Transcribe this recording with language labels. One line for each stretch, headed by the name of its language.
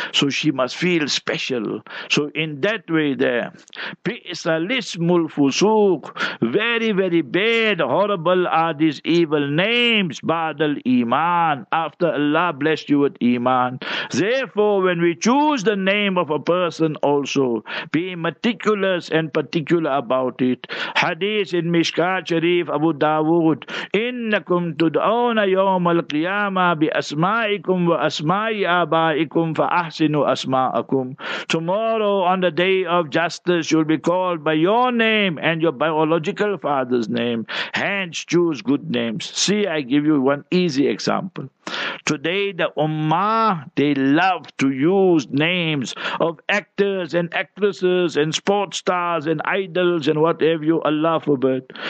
English: So she must feel special. So in that way there,
Arabic: بِئْسَ الْإِسْمُ الْفُسُوقُ,
English: very, very bad, horrible are these evil names,
Arabic: بَعْدَ
English: iman, after Allah blessed you with iman. Therefore, when we choose the name of a person also, be meticulous and particular about it.
Arabic: Hadith in Mishkat Sharif, Abu Dawood, إِنَّكُمْ تُدْعَوْنَ يَوْمَ الْقِيَامَةِ بِأَسْمَاءِ وَأَسْمَاءِكُمْ وَأَسْمَاءِ آبَائِكُمْ فَأَحْسِنُوا أَسْمَاءَكُمْ.
English: Tomorrow on the day of justice you'll be called by your name and your biological father's name. Hence choose good names. See, I give you one easy example. Today the Ummah, they love to use names of actors and actresses and sports stars and idols and whatever you, Allah forbid.